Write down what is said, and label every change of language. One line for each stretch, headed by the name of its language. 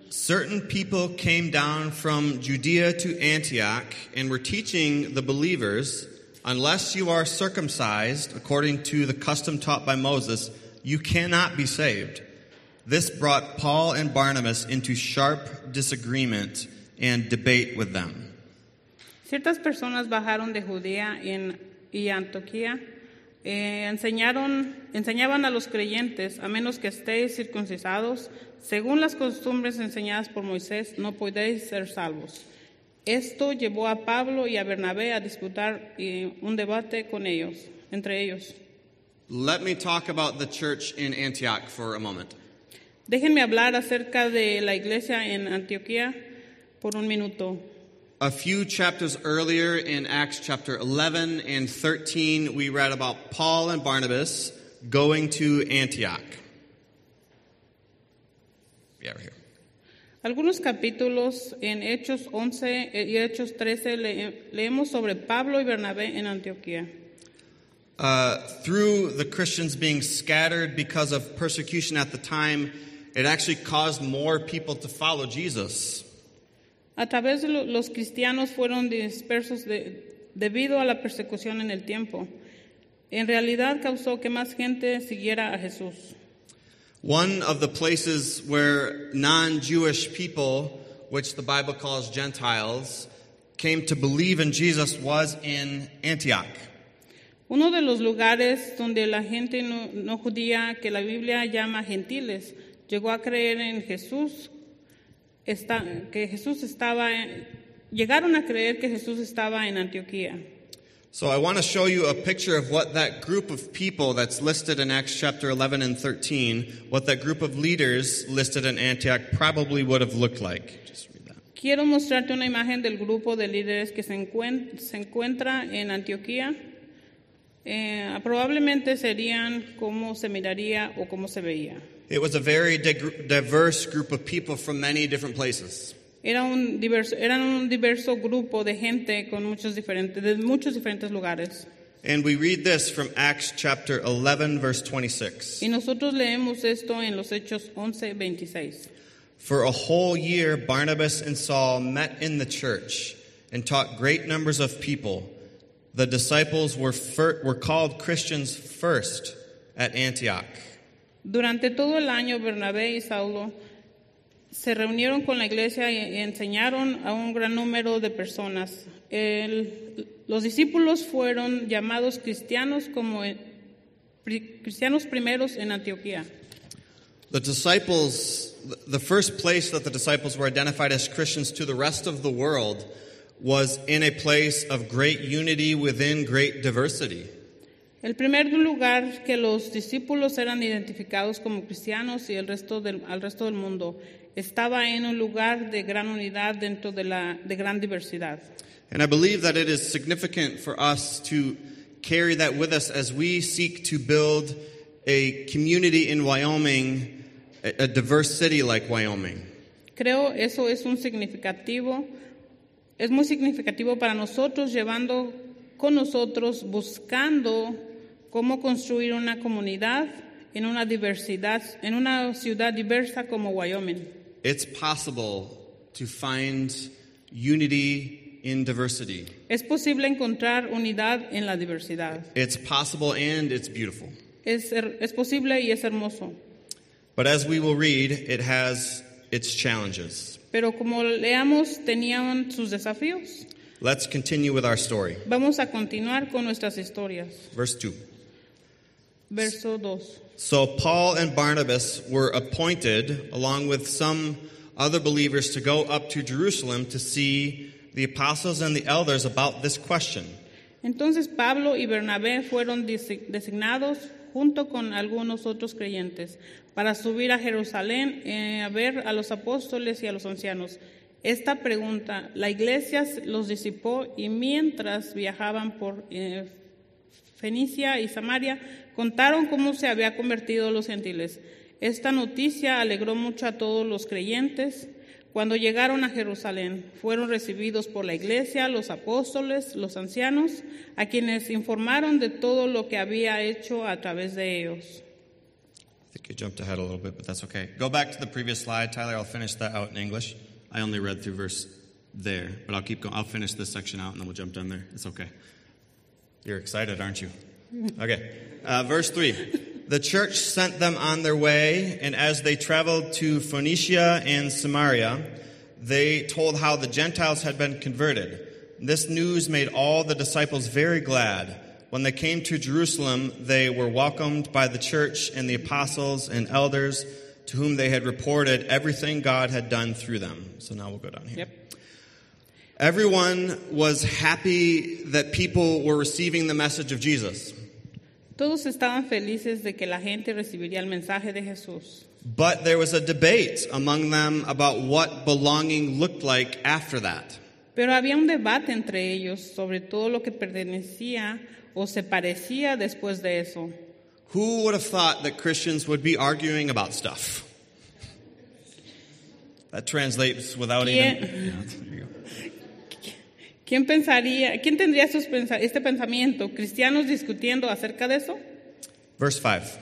English: Certain people came down from Judea to Antioch and were teaching the believers, unless you are circumcised according to the custom taught by Moses, you cannot be saved. This brought Paul and Barnabas into sharp disagreement and debate with them.
Spanish: Ciertas personas bajaron de Judea y Antioquía. Enseñaban a los creyentes, a menos que estéis circuncisados, según las costumbres enseñadas por Moisés, no podéis ser salvos. Esto llevó a Pablo y a Bernabé a disputar un debate con ellos, entre ellos.
English: Let me talk about the church in Antioch for a moment.
Spanish: Déjenme hablar acerca de la iglesia en Antioquía por un minuto.
English: A few chapters earlier in Acts chapter 11 and 13, we read about Paul and Barnabas going to Antioch. Yeah, right here.
Spanish: Algunos capítulos en Hechos 11 y Hechos 13 leemos sobre Pablo y Bernabé en Antioquía.
English: Through the Christians being scattered because of persecution at the time, it actually caused more people to follow Jesus.
Spanish: A través de los cristianos fueron dispersos debido a la persecución en el tiempo. En realidad causó que más gente siguiera a Jesús.
English: One of the places where non-Jewish people, which the Bible calls Gentiles, came to believe in Jesus was in Antioch.
Spanish: Uno de los lugares donde la gente no judía, que la Biblia llama gentiles, llegó a creer en Jesús. Llegaron a creer que Jesús estaba en Antioquía.
English: So I want to show you a picture of what that group of people that's listed in Acts chapter 11 and 13, what that group of leaders listed in Antioch probably would have looked like. Just read that.
Spanish: Quiero mostrarte una imagen del grupo de líderes que se encuentra en Antioquía. Probablemente serían cómo se miraría o cómo se veía.
English: It was a very diverse group of people from many different places.
Spanish: Eran un diverso grupo de gente con muchos diferentes lugares.
English: And we read this from Acts chapter 11, verse 26.
Spanish: Y nosotros leemos esto en los Hechos 11, 26.
English: For a whole year, Barnabas and Saul met in the church and taught great numbers of people. The disciples were called Christians first at Antioch.
Spanish: Durante todo el año, Bernabé y Saulo se reunieron con la iglesia y enseñaron a un gran número de personas. Los discípulos fueron llamados cristianos como cristianos primeros en Antioquía.
English: The first place that the disciples were identified as Christians to the rest of the world was in a place of great unity within great diversity.
Spanish: El primer lugar que los discípulos eran identificados como cristianos y al resto del mundo estaba en un lugar de gran unidad dentro de gran diversidad.
English: And I believe that it is significant for us to carry that with us as we seek to build a community in Wyoming, a diverse city like Wyoming.
Spanish: Creo eso es un significativo. Es muy significativo para nosotros llevando con nosotros buscando cómo construir una comunidad en una diversidad, en una ciudad diversa como Wyoming.
English: It's possible to find unity in diversity.
Spanish: Es posible encontrar unidad en la diversidad.
English: It's possible and it's beautiful.
Spanish: Es posible y es hermoso.
English: But as we will read, it has its challenges.
Spanish: Pero como leamos, tenían sus desafíos.
English: Let's continue with our story.
Spanish: Vamos a continuar con nuestras historias.
English: Verse 2.
Spanish: Verso 2.
English: So Paul and Barnabas were appointed, along with some other believers, to go up to Jerusalem to see the apostles and the elders about this question.
Spanish: Entonces Pablo y Bernabé fueron designados junto con algunos otros creyentes para subir a Jerusalén a ver a los apóstoles y a los ancianos. Esta pregunta, la iglesia los disipó y mientras viajaban por Fenicia y Samaria, contaron cómo se había convertido los gentiles. Esta noticia alegró mucho a todos los creyentes. Cuando llegaron a Jerusalén, fueron recibidos por la iglesia, los apóstoles, los ancianos, a quienes informaron de todo lo que había hecho a través de ellos.
English: I think you jumped ahead a little bit, but that's okay. Go back to the previous slide, Tyler. I'll finish that out in English. I only read through verse there, but I'll keep going. I'll finish this section out, and then we'll jump down there. It's okay. You're excited, aren't you? Okay. Verse 3. The church sent them on their way, and as they traveled to Phoenicia and Samaria, they told how the Gentiles had been converted. This news made all the disciples very glad. When they came to Jerusalem, they were welcomed by the church and the apostles and elders to whom they had reported everything God had done through them. So now we'll go down here. Yep. Everyone was happy that people were receiving the message of Jesus.
Spanish: Todos estaban felices de que la gente recibiría el mensaje de Jesús.
English: But there was a debate among them about what belonging looked like after that.
Spanish: Pero había un debate entre ellos sobre todo lo que pertenecía o se parecía después de eso.
English: Who would have thought that Christians would be arguing about stuff? That translates without even...
Spanish: ¿Quién tendría este pensamiento? ¿Cristianos discutiendo acerca de eso?
English: Verse 5.